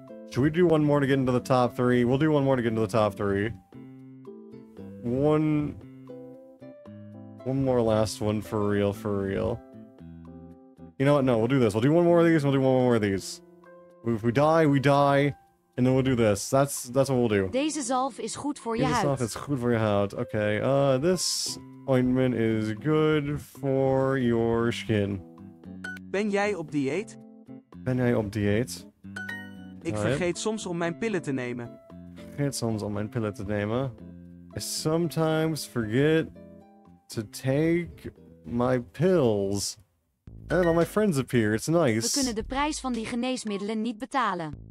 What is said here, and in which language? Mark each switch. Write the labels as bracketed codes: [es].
[en] Should we do one more to get into the top three? We'll do one more to get into the top three. One more last one for real, for real. You know what? No, we'll do this. We'll do one more of these, and we'll do one more of these. If we die, we die, and then we'll do this. That's what we'll do. [nl] Deze zalf is goed voor je huid. Deze zalf is goed voor je huid. [en] Okay, this ointment is good for your skin. [nl] Ben jij op dieet? Ben jij op dieet? Ik vergeet soms om mijn pillen te nemen. [en] I sometimes forget to take my pills. [nl] En al mijn vrienden [en] appear, it's nice. [nl] We kunnen de prijs van die geneesmiddelen niet betalen.